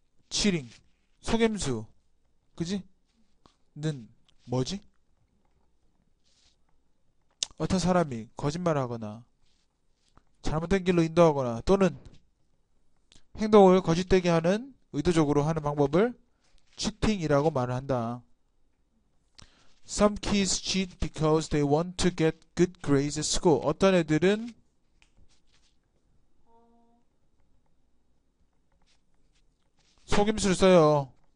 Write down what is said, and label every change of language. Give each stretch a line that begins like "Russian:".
Korean: Cheating. 속임수. 그지? 는 뭐지? 어떤 사람이 거짓말하거나 잘못된 길로 인도하거나 또는 행동을 거짓되게 하는 의도적으로 하는 방법을 치팅이라고 말을 한다.
English: Some kids cheat because they want to get good grades at school.
Korean: 어떤 애들은 속임수를 써요.